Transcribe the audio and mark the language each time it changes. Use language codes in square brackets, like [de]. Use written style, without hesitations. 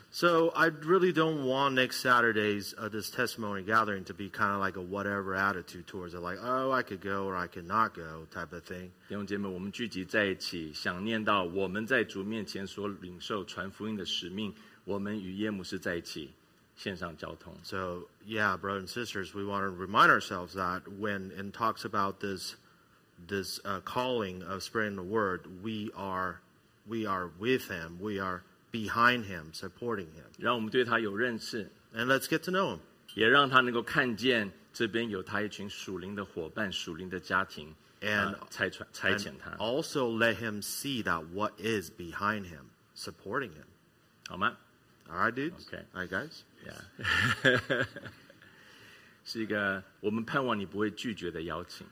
[en] So I really don't want next Saturday's this testimony gathering to be kind of like a whatever attitude towards it, like, oh, I could go or I could not go type of thing. [zh] 弟兄姐妹，我们聚集在一起，想念到我们在主面前所领受传福音的使命，我们与耶牧师在一起。线上交通。 [en] So yeah, brothers and sisters, we want to remind ourselves that when in talks about this calling of spreading the word, we are with him. We are behind him, supporting him. [zh] 让我们对他有认识。 [en] And let's get to know him. [zh] 也让他能够看见这边有他一群属灵的伙伴、属灵的家庭。 [en] And [zh] 差遣他。 [en] And also let him see that what is behind him, supporting him. [zh] 好吗 [en] ？All right, dudes. Okay. All right, guys. Yeah. [zh] 是一个我们盼望你不会拒绝的邀请。